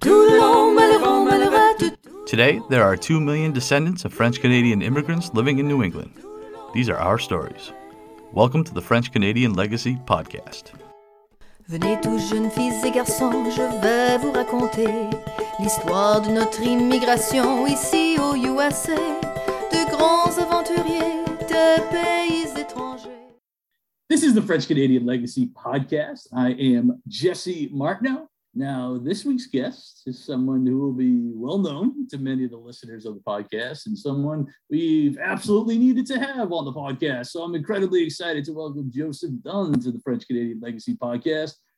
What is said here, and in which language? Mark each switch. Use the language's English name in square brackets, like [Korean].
[English] Today, there are 2 million descendants of French-Canadian immigrants living in New England. These are our stories. Welcome to the French-Canadian Legacy Podcast. [French] Venez tous jeunes filles et garçons, je vais vous raconter l'histoire de notre immigration ici aux USA, de grands aventuriers de pays étrangers. [English] This is the French-Canadian Legacy Podcast. I am Jesse Martineau. Now, this week's guest is someone who will be well-known to many of the listeners of the podcast and someone we've absolutely needed to have on the podcast. So I'm incredibly excited to welcome Joseph Dunn to the French-Canadian Legacy Podcast.